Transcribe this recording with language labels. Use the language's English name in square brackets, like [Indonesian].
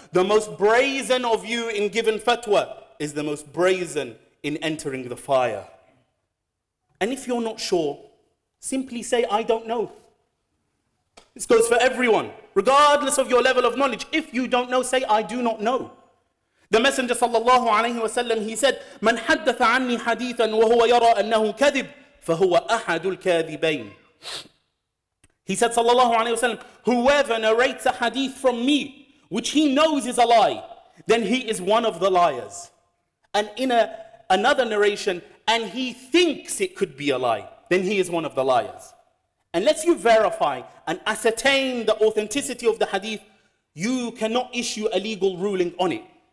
[English] The most brazen of you in giving fatwa is the most brazen in entering the fire. And if you're not sure, simply say, I don't know. This goes for everyone, regardless of your level of knowledge. If you don't know, say, I do not know. The Messenger sallallahu alayhi wa sallam, he said, [Arabic] من حدث عني حديثا وهو يرى أنه كذب فهو أحد الكاذبين. [English] He said sallallahu alayhi wa sallam, whoever narrates a hadith from me which he knows is a lie, then he is one of the liars. And in another narration, and he thinks it could be a lie, then he is one of the liars. Unless you verify and ascertain the authenticity of the hadith, you cannot issue a legal ruling on it.